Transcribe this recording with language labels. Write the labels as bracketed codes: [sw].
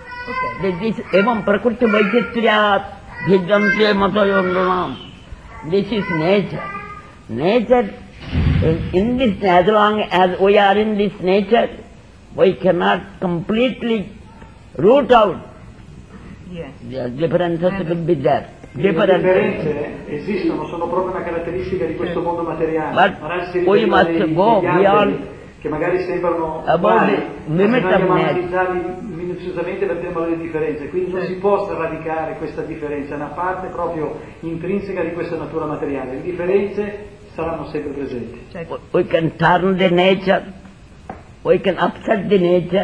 [en] Okay. This [sa] evam prakriti vaichitriyat bhidvamsi mato yondunam. [en] This is nature. Nature, in this, as long as we are in this nature, we cannot completely root out. Yes. The differences will be there. [it] Differences esistono, sono proprio una caratteristica di questo mondo materiale. [en] But we must go beyond. [it] Che magari sembrano uguali, ma se noi dobbiamo analizzarli minuziosamente vedremo le differenze, quindi non si può sradicare questa differenza, è una parte proprio intrinseca di questa natura materiale, le differenze saranno sempre presenti. [en] We can turn the nature, we can upset the nature,